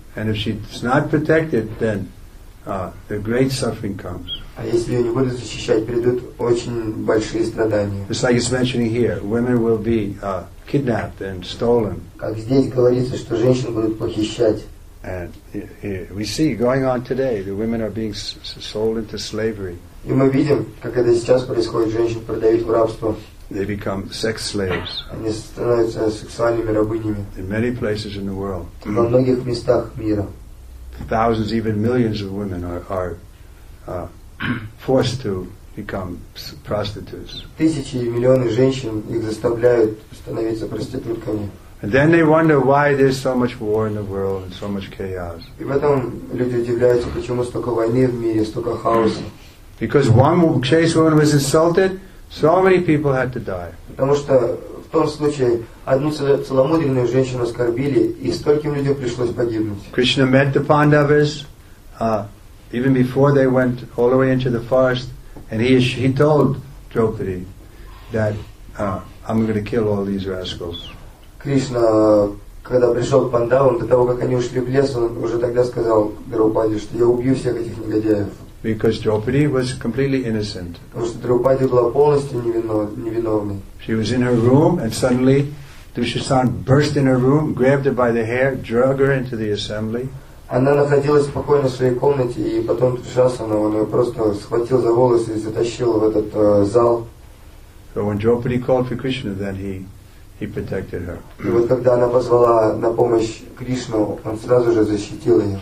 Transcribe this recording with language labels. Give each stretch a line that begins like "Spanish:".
English: And if she's not protected, then the great suffering comes.
Russian: А если ее не будут защищать, придут очень большие страдания.
English: It's like it's mentioning here, women will be kidnapped and stolen.
Russian: Как здесь говорится, что женщин будут похищать.
English: And we see going on today, the women are being sold into slavery.
Russian: И мы видим, как это сейчас происходит, женщин продают в рабство.
English: They become sex slaves.
Russian: Они становятся сексуальными рабынями.
English: In many places in the world.
Russian: Во многих местах мира.
English: Thousands, even millions of women are forced to become prostitutes.
Russian: Тысячи и миллионы женщин их заставляют становиться проститутками.
English: And then they wonder why there's so much war in the world and so much chaos.
Russian: И потом люди удивляются, почему столько войны в мире, столько хаоса.
English: Because one chaste woman was insulted, so many people had to die.
Russian: Потому что в том случае одну целомудренную женщину оскорбили, и стольким людям пришлось погибнуть.
English: Krishna met the Pandavas even before they went all the way into the forest, and he told Draupadi that I'm going to kill all these rascals.
Russian: Krishna, когда пришел к Пандавам, до того как они ушли в лес, он уже тогда сказал Драупаде, что я убью всех этих негодяев.
English: Because Draupadi was completely innocent.
Russian: Потому что Драупади была полностью невиновной.
English: She was in her room, and suddenly Dushasan burst in her room, grabbed her by the hair, drug her into the assembly.
Russian: Она находилась спокойно в своей комнате, и потом Душасана он ее просто схватил за волосы и затащил в этот зал.
English: So when Draupadi called for Krishna, then he protected her.
Russian: И вот когда она позвала на помощь Кришну, он сразу же защитил ее.